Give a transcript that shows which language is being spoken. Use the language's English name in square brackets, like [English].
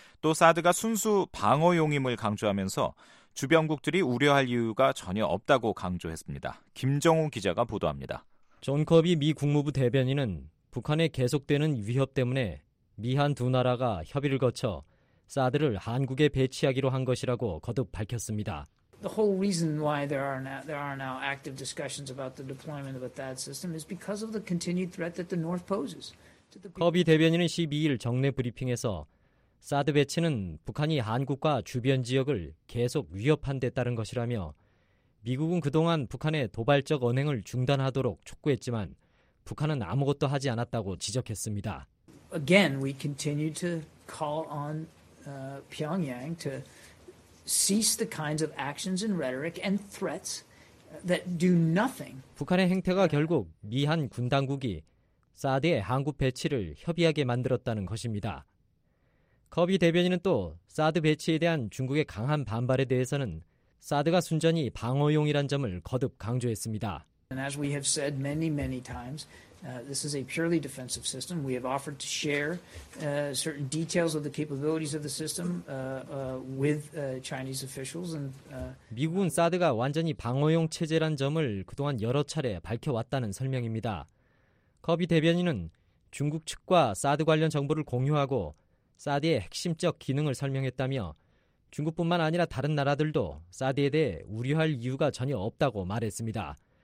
[Korean] 또 사드가 순수 방어용임을 강조하면서 주변국들이 우려할 이유가 전혀 없다고 강조했습니다. 김정우 기자가 보도합니다. 존 커비 미 국무부 대변인은 북한의 계속되는 위협 때문에 미한 두 나라가 협의를 거쳐 사드를 한국에 배치하기로 한 것이라고 거듭 밝혔습니다. [English] The whole reason why there are now active discussions about the deployment of a THAAD system is because of the continued threat that the North poses. [Korean] 커비 대변인은 12일 정례 브리핑에서 사드 배치는 북한이 한국과 주변 지역을 계속 위협한 데 따른 것이라며 미국은 그동안 북한의 도발적 언행을 중단하도록 촉구했지만 북한은 아무것도 하지 않았다고 지적했습니다. [English] Again, we continue to call on Pyongyang to cease the kinds of actions and rhetoric and threats that do nothing. [Korean] 북한의 행태가 결국 미한 군 당국이 사드의 한국 배치를 협의하게 만들었다는 것입니다. 커비 대변인은 또 사드 배치에 대한 중국의 강한 반발에 대해서는 사드가 순전히 방어용이란 점을 거듭 강조했습니다. [English] And as we have said many times, this is a purely defensive system. We have offered to share certain details of the capabilities of the system with Chinese officials. And [Korean] 미국은 사드가 완전히 방어용 체제란 점을 그동안 여러 차례 밝혀왔다는 설명입니다. 커비 대변인은 중국 측과 사드 관련 정보를 공유하고 사드의 핵심적 기능을 설명했다며 중국뿐만 아니라 다른 나라들도 사드에 대해 우려할 이유가 전혀 없다고 말했습니다.